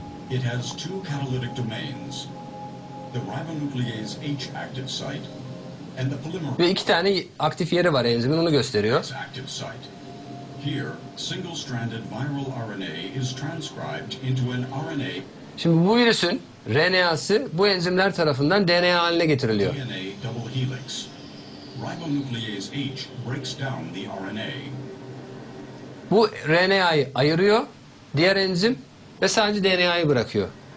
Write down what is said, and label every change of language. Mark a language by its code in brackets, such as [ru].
[en] It has two catalytic domains. The ribonuclease H active site. [tr] Ve iki tane aktif yeri var enzimin, onu gösteriyor. [en] Here, single-stranded viral RNA is transcribed into an RNA. [tr] Şimdi bu virüsün RNA'sı bu enzimler tarafından DNA haline getiriliyor. [en] DNA double helix. Ribonuclease H breaks down the RNA. [tr] Bu RNA'yı ayırıyor diğer enzim ve sadece DNA'yı bırakıyor.